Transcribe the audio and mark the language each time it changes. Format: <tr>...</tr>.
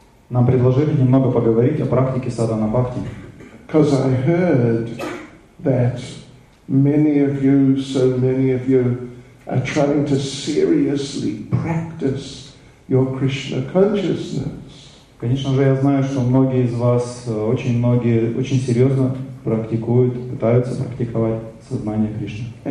<ru>Нам предложили немного поговорить о практике садхана бхакти.</ru> <en>Because I heard that so many of you are trying to seriously practice your Krishna consciousness.</en> <ru>Конечно же, я знаю, что многие из вас, многие очень серьезно практикуют, пытаются практиковать сознание Кришны.</ru>